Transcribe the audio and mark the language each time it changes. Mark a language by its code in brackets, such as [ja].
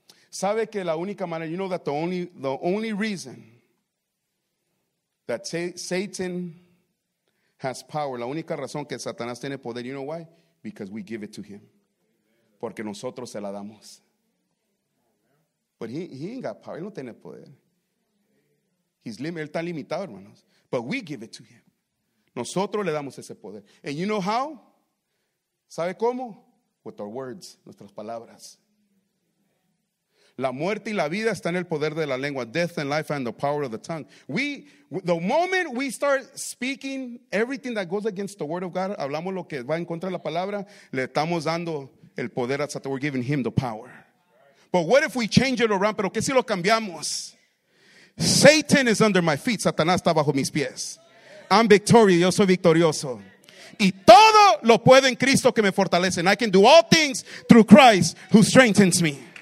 [es] Sabe que la única manera, [en] you know that the only reason that Satan has power, [es] la única razón que Satanás tiene poder, [en] you know why? Because we give it to him. [es] Porque nosotros se la damos. [en] But he ain't got power. [es] Él no tiene poder. Él está limitado, hermanos. [en] But we give it to him. [es] Nosotros le damos ese poder. [en] And you know how? [es] ¿Sabe cómo? [en] With our words, [es] nuestras palabras. La muerte y la vida están en el poder de la lengua. [en] Death and life and the power of the tongue. The moment we start speaking everything that goes against the word of God, [es] hablamos lo que va en contra de la palabra, le estamos dando el poder a Satan. [en] We're giving him the power. But what if we change it around? [es] ¿Pero qué si lo cambiamos? [en] Satan is under my feet. [es] Satanás está bajo mis pies. [en] I'm victorious. [es] Yo soy victorioso. Y todo lo puedo en Cristo que me fortalece. [en] And I can do all things through Christ who strengthens me.